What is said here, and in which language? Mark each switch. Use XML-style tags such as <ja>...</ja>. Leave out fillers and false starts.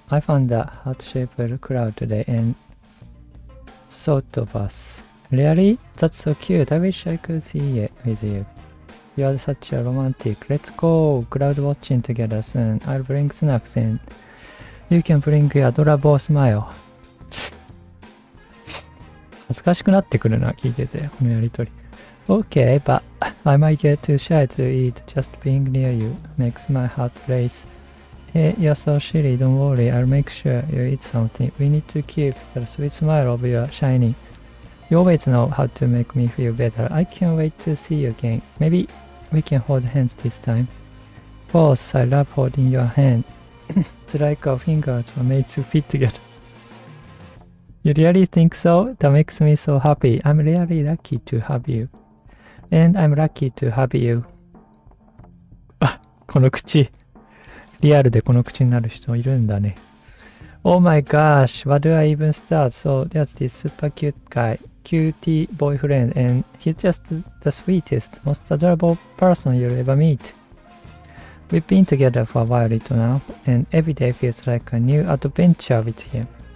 <en>I found a heart-shaped cloud today and sort of us. Really? That's so cute. I wish I could see it with you. You're such a romantic. Let's go cloud watching together soon. I'll bring snacks and You can bring your adorable smile.</en> <ja>恥ずかしくなってくるな、聞いてて、このやりとり。</ja> <en>Okay, but I might get too shy to eat. Just being near you makes my heart race. Hey, you're so silly, don't worry. I'll make sure you eat something. We need to keep the sweet smile of your shining. You always know how to make me feel better. I can't wait to see you again. Maybe we can hold hands this time. Of course, I love holding your hand. It's like our fingers were made to fit together. You really think so? That makes me so happy. I'm really lucky to have you. And I'm lucky to have you.</en> <ja>この口。リアルでこの口になる人いるんだね。</ja> <en>Oh my gosh, where do I even start? So there's this super cute guy, cutie boyfriend, and he's just the sweetest, most adorable person you'll ever meet. We've been together for a while now, and every day feels like a new adventure with him.</en>